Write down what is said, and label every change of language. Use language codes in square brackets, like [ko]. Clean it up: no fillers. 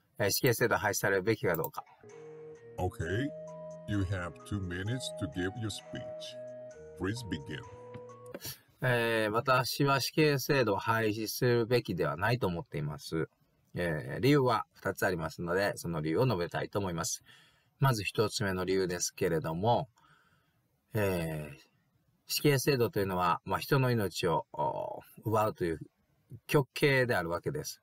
[ja] 死刑制度廃止されるべきかどうか。 [en] Okay, you have 2 minutes to give your speech. Please begin. [ja] 私は死刑制度を廃止するべきではないと思っています。理由は2つありますので、その理由を述べたいと思います。まず一つ目の理由ですけれども、死刑制度というのは、まあ、人の命を奪うという極刑であるわけです。